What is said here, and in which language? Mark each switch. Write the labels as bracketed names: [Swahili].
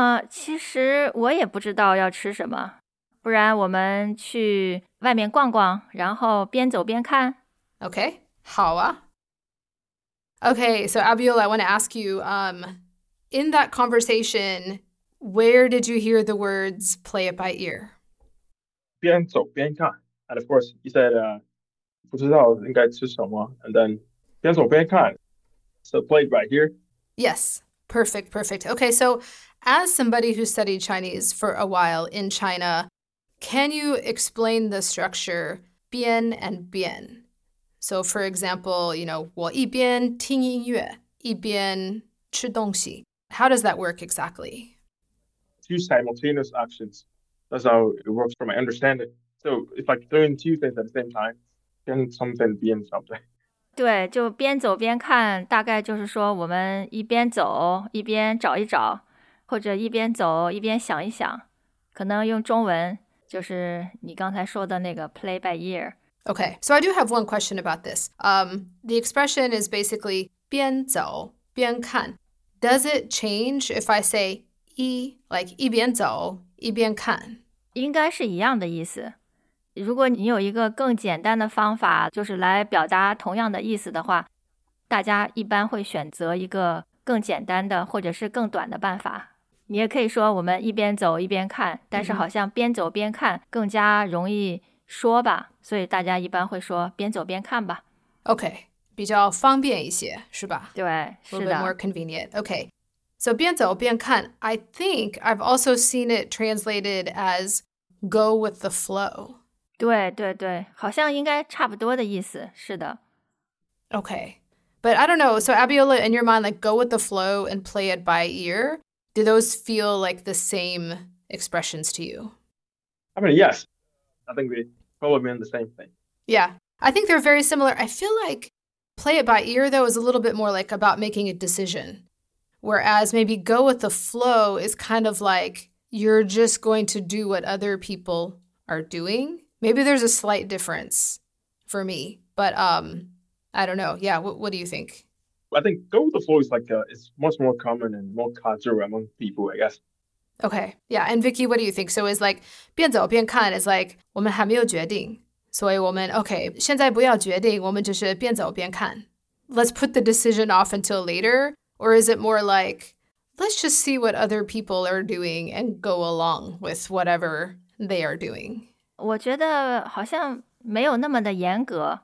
[Chinese] 其实我也不知道要吃什么。不然我们去外面逛逛，然后边走边看。 Okay, 好啊。 [English] Okay, so Abiola, I want to ask you, in that conversation, where did you hear the words play it by ear? [Chinese] 边走边看。 [English] And of course, he said, [Chinese] 不知道应该吃什么。 [English] And then, [Chinese] 边走边看。 [English] So play it by ear. Yes, perfect, perfect. Okay, so as somebody who studied Chinese for a while in China, can you explain the structure 边 and 边? So for example, you know, [Chinese] 我一边听音乐,一边吃东西。 [English] How does that work exactly? Two simultaneous actions. That's how it works from my understanding. So it's like doing two things at the same time, 边something, 边 something. [Chinese] 对,就边走边看,大概就是说我们一边走,一边找一找,或者一边走,一边想一想。可能用中文,就是你刚才说的那个 [English] play by ear. Okay, so I do have one question about this. The expression is basically 边走边看. Does it change if I say 一, like [Chinese] 一边走,一边看? 应该是一样的意思。如果你有一个更简单的方法就是来表达同样的意思的话大家一般会选择一个更简单的或者是更短的办法你也可以说我们一边走一边看但是好像边走边看更加容易说吧所以大家一般会说边走边看吧 OK 比较方便一些是吧对是的 [English] A little bit more convenient OK So [Chinese] 边走边看 [English] I think I've also seen it translated as go with the flow [Chinese] 对对对，好像应该差不多的意思，是的。 [English] Okay, but I don't know. So Abiola, in your mind, like go with the flow and play it by ear, do those feel like the same expressions to you? I mean, yes. I think they probably mean the same thing. Yeah, I think they're very similar. I feel like play it by ear, though, is a little bit more like about making a decision. Whereas maybe go with the flow is kind of like you're just going to do what other people are doing. Maybe there's a slight difference for me, but I don't know. Yeah, what do you think? I think go with the flow is like it's much more common and more cultural among people, I guess. Okay. Yeah. And Vicky, what do you think? So it's like 边走边看 is like [Chinese] 我们还没有决定，所以我们 okay 现在不要决定，我们就是边走边看. [English] Let's put the decision off until later. Or is it more like let's just see what other people are doing and go along with whatever they are doing? [Chinese] 我觉得好像没有那么的严格。